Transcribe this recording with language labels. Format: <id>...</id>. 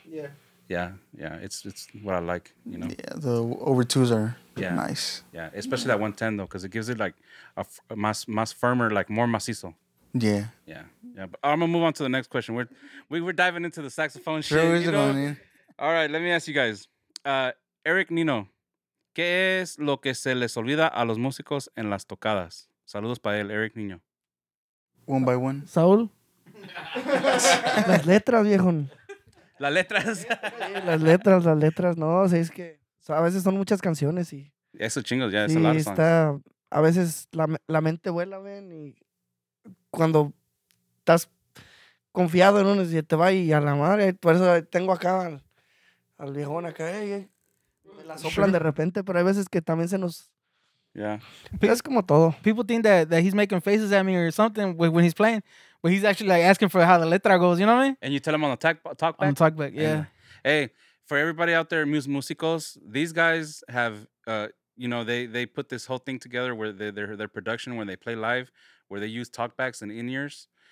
<en>Yeah. Yeah. Yeah. It's what I like, you know? Yeah. The over 2s are nice. Yeah. Especially that 110 though, because it gives it like a mas firmer, like more macizo. Yeah. Yeah. Yeah. But I'm going to move on to the next question. We're diving into the saxophone shit. Sure, you know? All right. Let me ask you guys.</en> <es>Eric Nino, ¿qué es lo que se les olvida a los músicos en las tocadas? Saludos para él, Eric Nino.</es> <en>One by one.</en> <es>Saúl. Las letras, viejo. Las letras. las letras. No, o sea, es que a veces son muchas canciones y... Eso chingos, ya, sí, es a a veces la mente vuela, ven, y cuando estás confiado en uno, y te va y a la madre, por eso tengo acá al viejón acá, me la soplan de repente, pero hay veces que también se nos... Yeah. Es como todo.</es> <en>People think that he's making faces at me or something when he's playing, but he's actually like asking for how the letra goes, you know what I mean? And you tell him on the talkback? On the talkback, yeah. Hey, for everybody out there, musicos, these guys have, you know, they put this whole thing together where their production, when they play live, where they use talkbacks and in-ears.</en>